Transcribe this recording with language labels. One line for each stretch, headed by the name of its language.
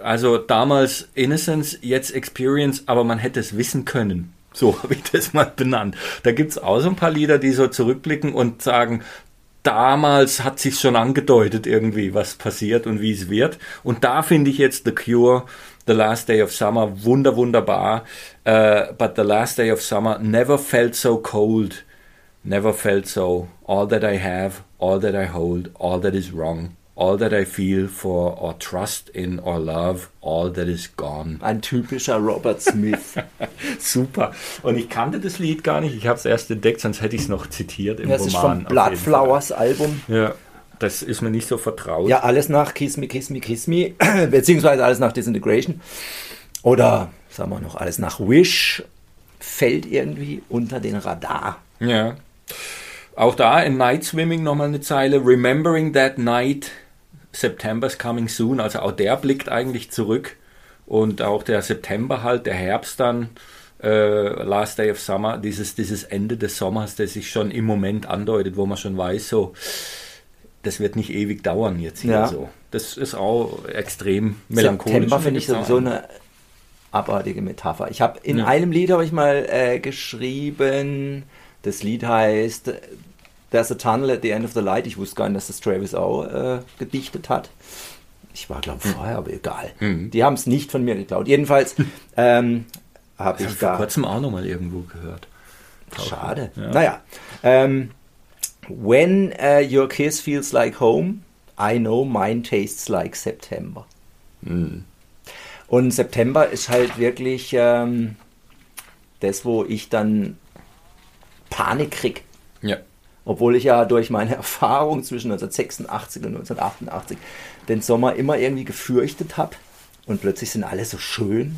German: Also damals Innocence, jetzt Experience, aber man hätte es wissen können. So habe ich das mal benannt. Da gibt es auch so ein paar Lieder, die so zurückblicken und sagen, damals hat sich schon angedeutet irgendwie, was passiert und wie es wird. Und da finde ich jetzt The Cure, The Last Day of Summer, wunderbar.
English: But The Last Day of Summer never felt so cold, never felt so. All that I have, all that I hold, all that is wrong. All that I feel for or trust in or love, all that is gone.
German: Ein typischer Robert Smith. Super. Und ich kannte das Lied gar nicht. Ich habe es erst entdeckt, sonst hätte ich es noch zitiert im Roman. Das ist vom Bloodflowers Album. Ja, das ist mir nicht so vertraut. Ja, alles nach Kiss Me, Kiss Me, Kiss Me. Beziehungsweise alles nach Disintegration. Oder, sagen wir noch, alles nach Wish. Fällt irgendwie unter den Radar. Ja. Auch da in Night Swimming nochmal eine Zeile.
English: Remembering that night, September's coming soon.
German: Also auch der blickt eigentlich zurück. Und auch der September halt, der Herbst dann, Last Day of Summer, dieses Ende des Sommers, das sich schon im Moment andeutet, wo man schon weiß, so, das wird nicht ewig dauern jetzt hier. Ja. So. Das ist auch extrem melancholisch. September finde ich sowieso eine abartige Metapher. Ich habe in einem Lied, habe ich mal geschrieben. Das Lied heißt There's a Tunnel at the End of the Light. Ich wusste gar nicht, dass das Travis auch gedichtet hat. Ich war, glaube ich, vorher, aber egal. Mhm. Die haben es nicht von mir geklaut. Jedenfalls habe ich da... vor kurzem auch nochmal irgendwo gehört. Schade. Ja. Naja.
English: When your kiss feels like home, I know mine tastes like September. Mhm.
German: Und September ist halt wirklich das, wo ich dann Panik krieg. Ja. Obwohl ich ja durch meine Erfahrung zwischen 1986 und 1988 den Sommer immer irgendwie gefürchtet habe und plötzlich sind alle so schön.